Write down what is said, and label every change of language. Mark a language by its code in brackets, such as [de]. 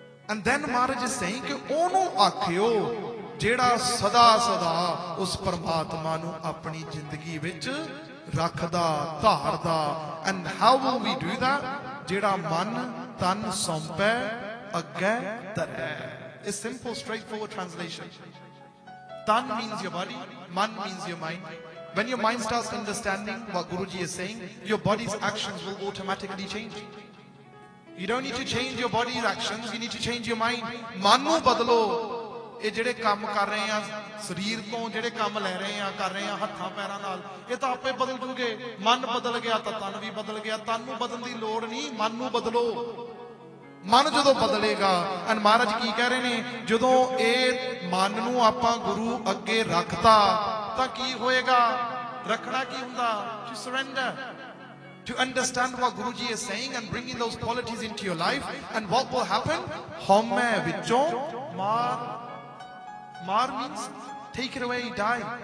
[en] and then [pa] ਮਹਾਰਾਜ [en] is saying [pa] ਕਿ ਉਹਨੂੰ ਆਖਿਓ ਜਿਹੜਾ ਸਦਾ ਸਦਾ ਉਸ ਪਰਮਾਤਮਾ ਨੂੰ ਆਪਣੀ ਜ਼ਿੰਦਗੀ ਵਿੱਚ ਰੱਖਦਾ ਧਾਰਦਾ [en] and how we do that [pa] ਜਿਹੜਾ ਮਨ ਤਨ ਸੌਂਪੈ ਅੱਗੇ ਧਰੈ [en] It's simple, straightforward translation. Tan means your body, man means your mind. When your mind starts understanding what Guruji is saying, your body's actions will automatically change. You don't need to change your body's actions, you need to change your mind. [pa] Man nu badlo. ਇਹ ਜਿਹੜੇ ਕੰਮ ਕਰ ਰਹੇ ਹਾਂ ਸਰੀਰ ਤੋਂ ਜਿਹੜੇ ਕੰਮ ਲੈ ਰਹੇ ਹਾਂ ਕਰ ਰਹੇ ਹਾਂ ਹੱਥਾਂ ਪੈਰਾਂ ਨਾਲ ਇਹ ਤਾਂ ਆਪੇ ਬਦਲ ਜੂਗੇ ਮਨ ਬਦਲ ਗਿਆ ਤਾਂ ਤਨ ਵੀ ਬਦਲ ਗਿਆ ਤਨ ਨੂੰ ਬਦਲਣ ਦੀ ਲੋੜ ਨਹੀਂ ਮਨ ਨੂੰ ਬਦਲੋ ਮਨ ਜਦੋਂ ਬਦਲੇਗਾ ਐਂਡ ਮਹਾਰਾਜ ਕੀ ਕਹਿ ਰਹੇ ਨੇ ਜਦੋਂ ਇਹ ਮਨ ਨੂੰ ਆਪਾਂ ਗੁਰੂ ਅੱਗੇ ਰੱਖਤਾ ਤਾਂ ਕੀ ਹੋਏਗਾ ਰੱਖਣਾ ਕੀ ਹੁੰਦਾ [en] to surrender to understand what Guru ji is saying and bringing those qualities into your life and what will happen [pa] ਹਉਮੈ ਵਿੱਚੋਂ ਮਾਰ ਮਾਰ [en] means take it away die